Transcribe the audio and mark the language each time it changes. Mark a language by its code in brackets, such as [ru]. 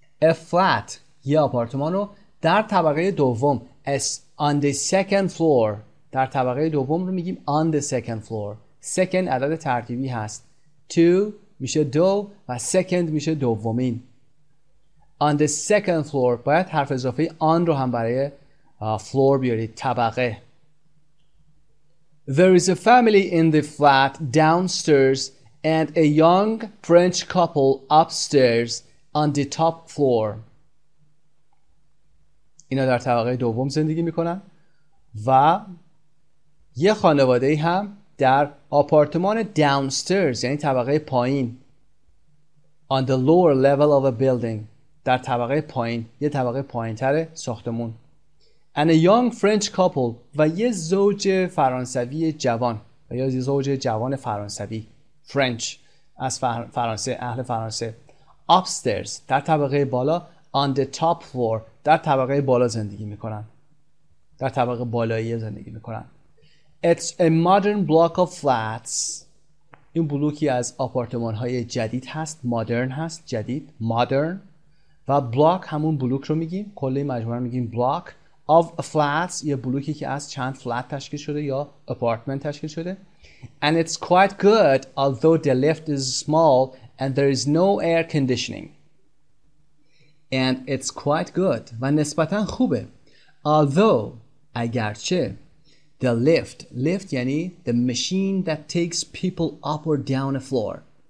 [en] A flat, [fa] یه آپارتمان رو در طبقه دوم, [en] as on the second floor, [fa] در طبقه دوم رو میگیم [en] on the second floor. [fa] Second عدد ترتیبی هست. Two میشه دو و second میشه دومین. [en] On the second floor, [fa] باید حرف اضافه on رو هم برای floor بیارید, طبقه. [en] There is a family in the flat downstairs and a young French couple upstairs on the top floor. [fa] اینا در طبقه دوم زندگی میکنن و یه خانواده هم در آپارتمان downstairs, یعنی طبقه پایین. [en] On the lower level of a building, [fa] در طبقه پایین, یه طبقه پایین تره ساختمون. [en] And a young French couple, [fa] و یه زوج فرانسوی جوان, و یه زوج جوان فرانسوی, French, از فرانسه, اهل فرانسه. [en] Upstairs, [fa] در طبقه بالا, [en] on the top floor, [fa] در طبقه بالا زندگی میکنن. در طبقه بالایی زندگی میکنن. [en] It's a modern block of flats. [fa] این بلوکی از آپارتمان های جدید هست, modern هست, جدید, modern. و بلاک همون بلوک رو میگیم, کلی مجموعه میگیم بلاک. [en] Of flats, [fa] یه بلوکی که از چند فلات تشکیل شده یا اپارتمنت تشکیل شده. [en] And it's quite good, although the lift is small and there is no air conditioning. And it's quite good, [fa] و نسبتا خوبه. [en] Although, [fa] اگرچه, [en] the lift, lift [fa] یعنی [en] the machine that takes people up or down a floor.